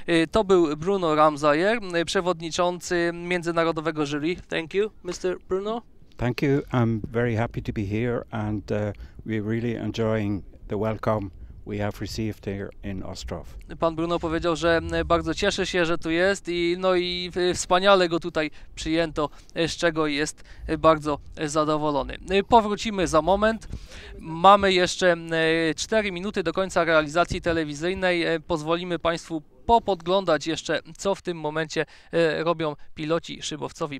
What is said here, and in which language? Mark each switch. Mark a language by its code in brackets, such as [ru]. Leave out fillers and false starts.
[pl] To był Bruno Ramsayer, przewodniczący międzynarodowego jury. [en] Thank you, Mr. Bruno. Thank you. I'm very happy to be here and we're really enjoying the welcome we have received here in Ostrów. [pl] Pan Bruno powiedział, że bardzo cieszy się, że tu jest i no i wspaniale go tutaj przyjęto, z czego jest bardzo zadowolony. Powrócimy za moment. Mamy jeszcze 4 minuty do końca realizacji telewizyjnej. Pozwolimy państwu popodglądać jeszcze, co w tym momencie robią piloci szybowcowi.